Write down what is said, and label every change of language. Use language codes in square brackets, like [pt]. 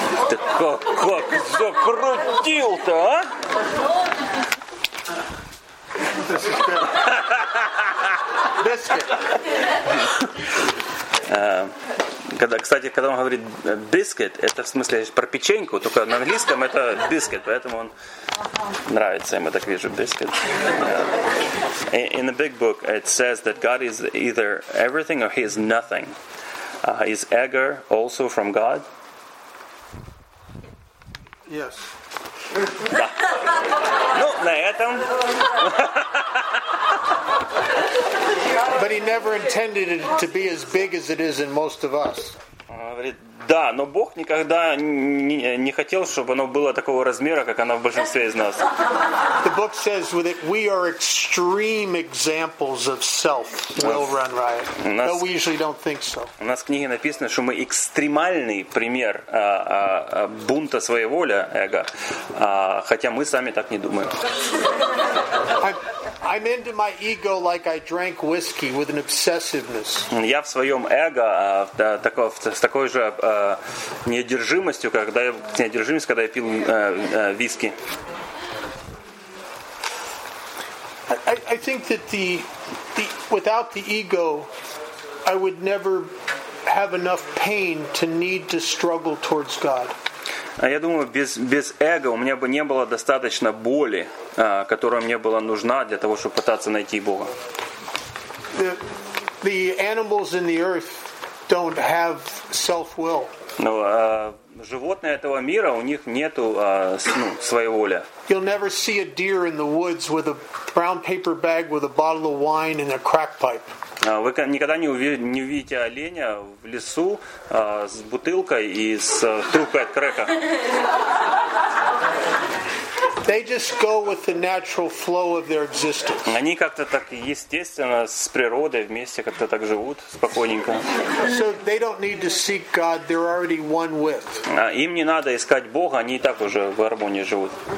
[ru] Да как закрутил-то, а? Кстати, когда он говорит biscuit, это в смысле про печеньку, только на английском это biscuit, поэтому он нравится ему, так вижу, biscuit. [en] In the big book it says that God is either everything or he is nothing. Is ego also from God? Yes. [ru] Да. Ну, на этом. [en] But he never intended it to be as big as it is in most of us. [ru] Говорит, да, но Бог никогда не хотел, чтобы оно было такого размера, как оно в большинстве из нас. [en] The book says that we are extreme examples of self. Will run riot. But we usually don't think so. [ru] У нас в книге написано, что мы экстремальный пример бунта своей воли, эго, хотя мы сами так не думаем. [en] I'm into my ego like I drank whiskey with an obsessiveness. [ru] Я в своем эго с такой же неодержимостью, когда я неодержимость, когда я пил виски. [en] I think that the without the ego, I would never have enough pain to need to struggle towards God. [ru] Я думаю, без эго у меня бы не было достаточно боли, которая мне была нужна для того, чтобы пытаться найти Бога. [en] The animals in the earth don't have self-will. [ru] Но животные этого мира, у них нету своей воли. [en] You'll never see a deer in the woods with a brown paper bag with a bottle of wine and a crack pipe. [ru] Вы никогда не увидите оленя в лесу с бутылкой и с трубкой от крека. [en] They just go with the natural flow of their existence. [ru] Они как-то так естественно с природой вместе как-то так живут спокойненько. [en] So they don't need to seek God, they're already one with. [ru] Им не надо искать Бога, они и так уже в гармонии живут.